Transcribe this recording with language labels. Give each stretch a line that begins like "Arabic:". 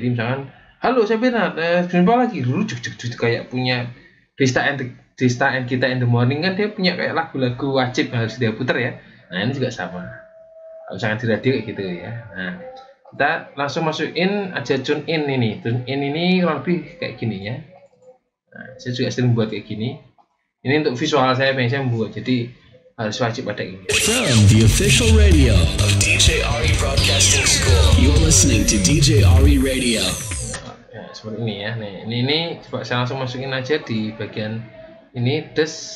Indonesian: Jadi misalkan halo saya Bernard, jumpa lagi lucu kayak punya Desta and kita in the morning kan dia punya kayak lagu-lagu wajib yang harus dia putar ya. Nah ini juga sama. Misalkan di radio kayak gitu ya. Nah, kita langsung masukin aja tune in ini kurang lebih kayak gini ya. Nah, saya juga sering buat kayak gini. Ini untuk visual saya biasanya membuat, jadi harus wajib ada ini.
English: From the official radio of DJ Ari Broadcasting School, you're listening to DJ Ari Radio.
Indonesian: Ya, seperti ini ya. Nih, ini coba saya langsung masukin aja di bagian ini des.